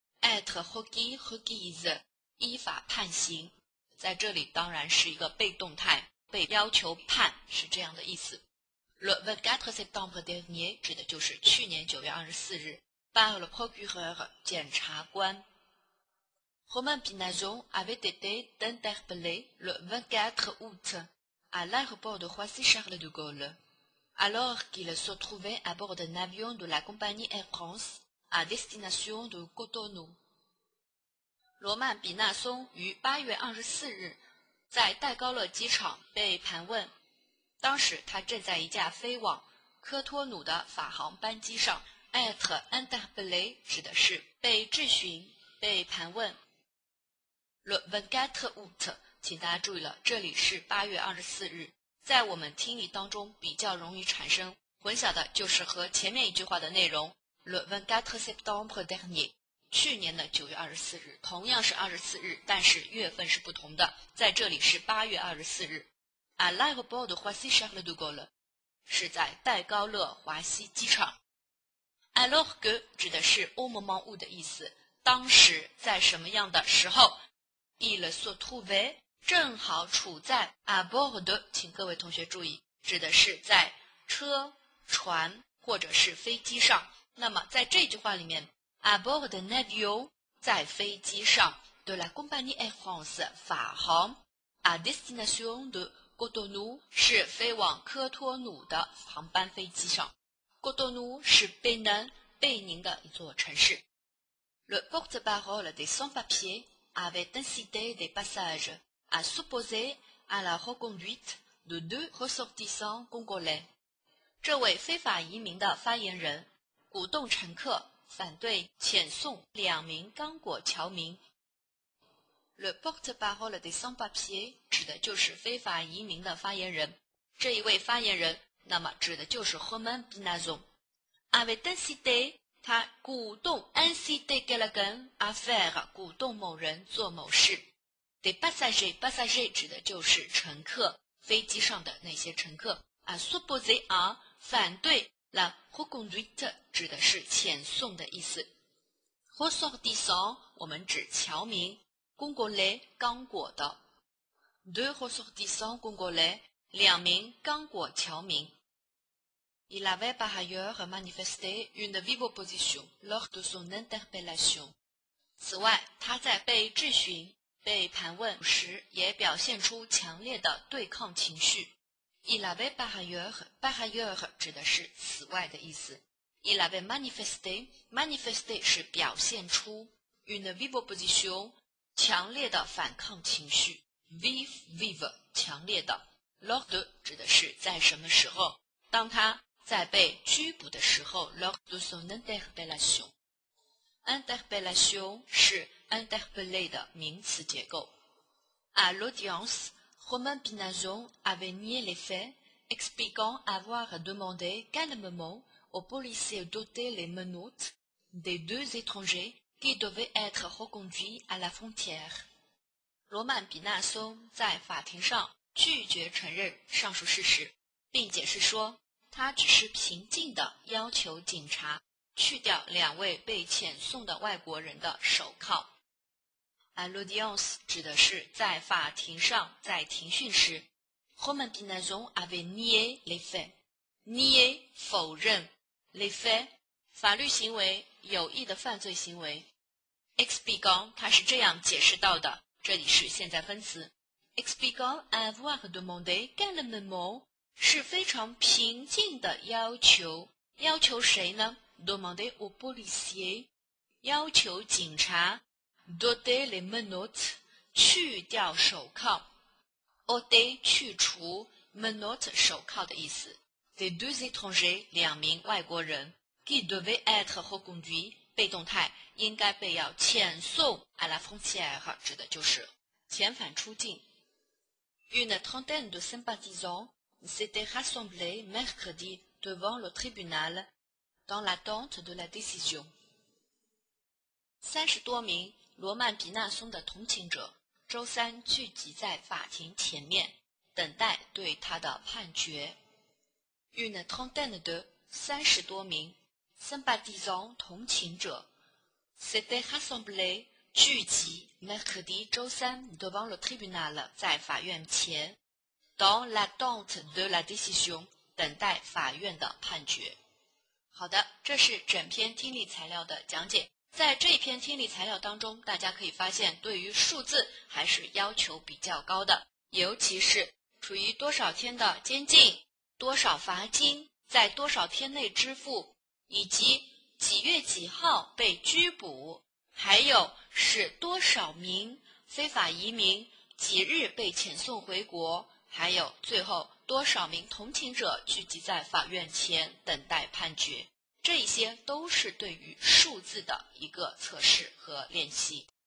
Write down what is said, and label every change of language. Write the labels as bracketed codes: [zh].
[fr] être requise [zh] 依法判刑，在这里当然是一个被动态，被要求判是这样的意思。 [fr] Le 24 septembre dernier [zh] 指的就是去年9月24日 [fr] par le procureur 检察官。 Romain Pinazon avait été interpellé le 24 août à l'aéroport de Roissy-Charles de Gaulle, alors qu'il se trouvait à bord d'un avion de la compagnie Air France. À destination de Cotonou. [zh] 罗曼·比纳松于8月24日在戴高乐机场被盘问，当时他正在一架飞往科托努的法航班机上。 [fr] être interpellé [zh] 指的是被质询、被盘问。 [fr] Le 24 août [zh] 请大家注意了，这里是8月24日，在我们听力当中比较容易产生混淆的就是和前面一句话的内容。 [fr] Le 24 septembre dernier, [zh] 去年的9月24日,同样是24日,但是月份是不同的,在这里是8月24日。 [fr] À l'aéroport de Roissy-Charles de Gaulle, [zh] 是在戴高乐华西机场。 [fr] Alors que, [zh] 指的是 [fr] au moment où [zh] 的意思,当时在什么样的时候。 [fr] Il se trouvait, [zh] 正好处在 [fr] à bord de, [zh] 请各位同学注意,指的是在车、船或者是飞机上。那么在这句话里面 , [fr] à bord d'un avion, [zh] 在飞机上 , [fr] de la compagnie Air France, [zh] 法航 , [fr] à destination de Cotonou, [zh] 是飞往科托努的航班飞机上。 Cotonou 是贝南贝宁的一座城市。 [fr] Le porte-parole des sans-papiers avait incité des passages à s'opposer à la reconduite de deux ressortissants congolais. [zh] 这位非法移民的发言人鼓动乘客反对遣送两名刚果侨民。 [fr] Le porte-parole des sans-papiers [zh] 指的就是非法移民的发言人。这一位发言人，那么指的就是 Romain Pinazon。 [fr] Avait incité, [zh] 他鼓动 [fr] incité quelqu'un à faire, [zh] 鼓动某人做某事。 [fr] Des passagers, passagers [zh] 指的就是乘客，飞机上的那些乘客。 [fr] À supposer à, 反对。 La reconduite [zh] 指的是遣送的意思。 Ressortissant 我们指侨民。Congolais 刚果的。 [fr] Deux ressortissants congolais [zh] 两名刚果侨民。 [fr] Il avait par ailleurs manifesté une vive opposition lors de son interpellation. [zh] 此外，他在被质询、被盘问时也表现出强烈的对抗情绪。 [fr] Il avait par ailleurs [zh] 指的是此外的意思。 [fr] Il avait manifesté [zh] 是表现出 [fr] une vive opposition [zh] 强烈的反抗情绪。 Vive 强烈的。 Lors de 指的是在什么时候？当他在被拘捕的时候。 [fr] Lors de son interpellation。Interpellation 是 interpellé 的名词结构。 À l'audience。 Romain Pinazon avait nié les faits, expliquant avoir demandé calmement aux policiers d'ôter les menottes des deux étrangers qui devaient être reconduits à la frontière. [zh] Romain Pinazon 在法庭上拒绝承认上述事实，并解释说，他只是平静地要求警察去掉两位被遣送的外国人的手铐。 [fr] À l'audience [zh] 指的是在法庭上，在庭讯时 [fr] ，Romain Pinazon avait nié les faits, nié [zh] 否认 ，les faits 法律行为，有意的犯罪行为。 [fr] Expliquant [zh] 他是这样解释到的，这里是现在分词。 [fr] Expliquant avoir demandé calmement [zh] 是非常平静的要求，要求谁呢 [fr] ？Demander aux policiers [zh] 要求警察。 [fr] d'ôter les menottes, [zh] 去掉手铐。 ôter 去除 menottes 手铐的意思。 [fr] Des deux étrangers, [zh] 两名外国人 [fr] qui devaient être reconduits, [zh] 被动态应该被要遣送 [fr] à la frontière, [zh] 指的就是遣返出境。 [fr] Une trentaine de sympathisants s'étaient rassemblés mercredi devant le tribunal dans l'attente de la décision. [zh] 30多名罗曼皮纳松的同情者周三聚集在法庭前面等待对他的判决。 [fr] Une trentaine de 30多名 sympathisants 同情者 s'étaient rassemblés 聚集 mercredi 周三 devant le tribunal 在法院前 dans l'attente de la décision [zh] 等待法院的判决。好的，这是整篇听力材料的讲解。在这一篇听力材料当中，大家可以发现对于数字还是要求比较高的，尤其是处于多少天的监禁，多少罚金，在多少天内支付，以及几月几号被拘捕，还有是多少名非法移民几日被遣送回国，还有最后多少名同情者聚集在法院前等待判决，这些都是对于数字的一个测试和练习。